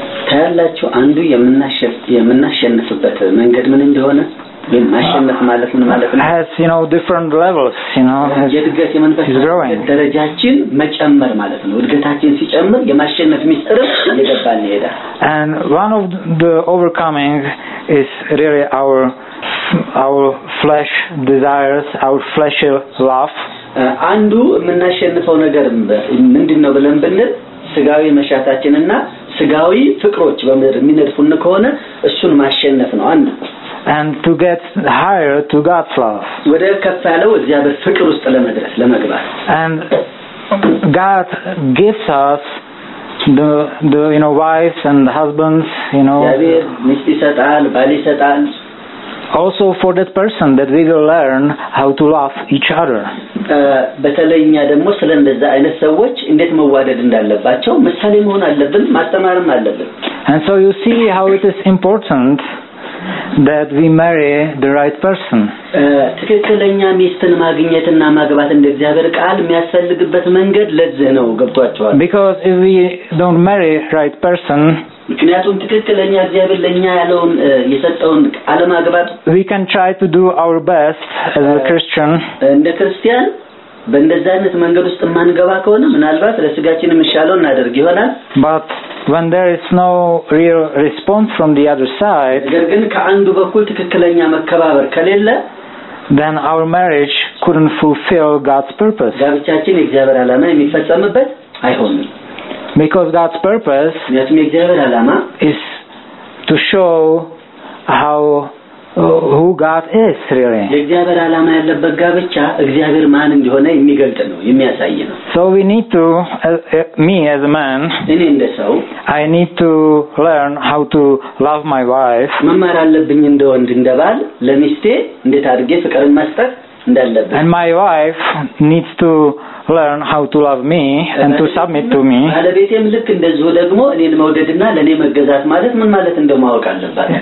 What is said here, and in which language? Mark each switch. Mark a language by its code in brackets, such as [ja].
[am] ታላቹ አንዱ የምናሸንፍበት መንገድ ምን እንደሆነ [en] has you know different levels you know has growing [am] ደረጃችን መጨመር ማለት ነው እድገታችን ሲጨምር የማሸነፍ ሚስጥር እየገባን ይሄዳል [en] and one of the overcoming is really our flesh desires our fleshly love [am] አንዱ የምናሸንፈው ነገር ምንድነው ብለን ብንል ስጋዊ መሻታችንና ስጋዊ ፍቅሮች በሚነድፉን ከሆነ እሱን ማሸነፍ ነው አንዱ [en] and to get higher to God's love [am] ወደ ከፈለው እግዚአብሔር ፍቅር ውስጥ ለመድረስ ለመግባት [en] and God gives us the you know wives and husbands you know [am] እግዚአብሔር ምስጢ ሰጣል ባል ይሰጣል [en] also for that person that we will learn how to love each other [am] በተለኛ ደግሞ ስለ እንደዛ አይነት ሰዎች እንዴት መዋደድ እንዳለባቸው ምሳሌ መሆን አለብን ማስተማርም አለብን [en] and so you see how it is important that we marry the right person [am] ትክክለኛ ሚስትን ማግኘትና ማግባት እንደ እግዚአብሔር ቃል የሚያስፈልግበት መንገድ ለዚህ ነው ገብቷቸዋል [en] because if we don't marry right person [am] ምክንያቱም ትክክለኛ እግዚአብሔር ለኛ ያለውን የሰጠውን ቃል ማግባት [en] we can try to do our best as a Christian [am] እንደ ክርስቲያን በእንደዛ አይነት መንገድ ውስጥ ማንገባ ከሆነ ምናልባት ለስጋችን የሚሻለው እናደርግ ይሆናል [en] but when there is no real response from the other side [am] ግን ከአንዱ በኩል ትክክለኛ መከባበር ከሌለ [en] then our marriage couldn't fulfill God's purpose [am] ጋብቻችን እግዚአብሔር አላማ የሚፈጸምበት አይሆንም [en] because God's purpose [am] ያትም እግዚአብሔር አላማ [en] is to show how who God is really [am] እግዚአብሔር አላማ ያለበት ጋብቻ እግዚአብሔር ማን እንደሆነ የሚገልጥ ነው የሚያሳይ ነው [en] so we need to me as a man I need to learn how to love my wife [am] መማር አለብኝ እንደ ወንድ እንደ ባል ለሚስቴ እንዴት አድርጌ ፍቅርን መስጠት እንዳለብኝ [en] and my wife needs to learn how to love me and to submit to me [am] አለቤቴም ልክ እንደዚህ ደግሞ እኔን መውደድና ለኔ መገዛት ማለት ምን ማለት እንደማወቅ አለባት